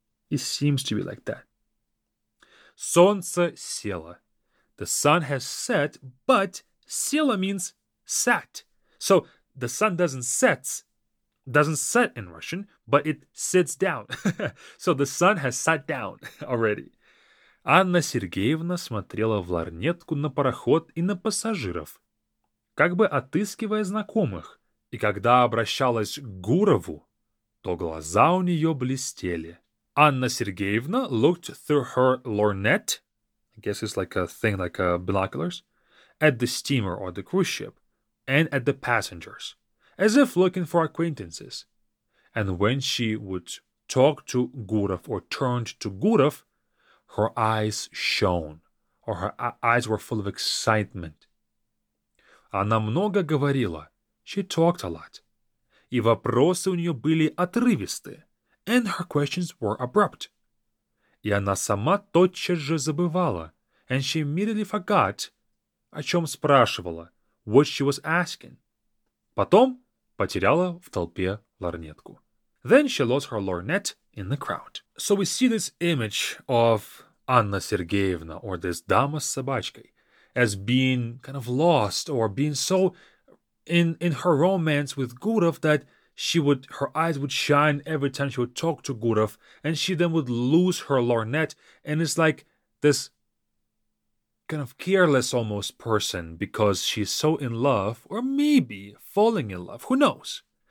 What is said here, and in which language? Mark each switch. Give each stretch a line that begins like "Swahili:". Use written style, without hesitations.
English: It seems to be like that.
Russian: Солнце село.
English: The sun has set, but село means set. So the sun doesn't set in Russian, but it sits down. So the sun has sat down already.
Russian: Анна Сергеевна смотрела в лорнетку на пароход и на пассажиров, как бы отыскивая знакомых И когда обращалась к Гурову, то глаза у нее блестели.
English: Анна Сергеевна looked through her lorgnette, I guess it's like a thing like binoculars, at the steamer or the cruise ship, and at the passengers, as if looking for acquaintances. And when she would talk to Gurov or turned to Gurov, her eyes shone, or her eyes were full of excitement.
Russian: Она много говорила.
English: She talked a lot.
Russian: И вопросы у нее были отрывистые.
English: And her questions were abrupt.
Russian: И она сама тотчас же забывала.
English: And she immediately forgot,
Russian: о чем спрашивала,
English: what she was asking.
Russian: Потом потеряла в толпе лорнетку.
English: Then she lost her lorgnette in the crowd. So we see this image of Anna Sergeyevna, or this dama с собачкой, as being kind of lost, or being so in her romance with Gurov that she would, her eyes would shine every time she would talk to Gurov, and she then would lose her lorgnette, and it's like this kind of careless almost person, because she's so in love, or maybe falling in love, who knows?